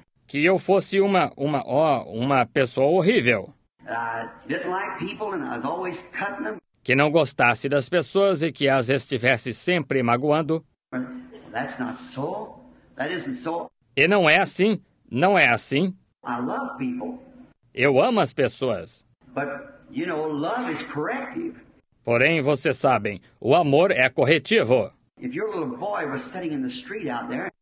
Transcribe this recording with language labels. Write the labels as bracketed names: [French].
[Portuguese] Que eu fosse uma pessoa horrível. [English] Didn't like people and I was always cutting them. [Portuguese] Que não gostasse das pessoas e que as estivesse sempre magoando. [English] That's not so. That isn't so. [Portuguese] E não é assim. Não é assim. [English] I love people. [Portuguese] Eu amo as pessoas. [English] But, you know, love is corrective. [Portuguese] Porém, vocês sabem, o amor é corretivo. [English] If your little boy was sitting in the street out there,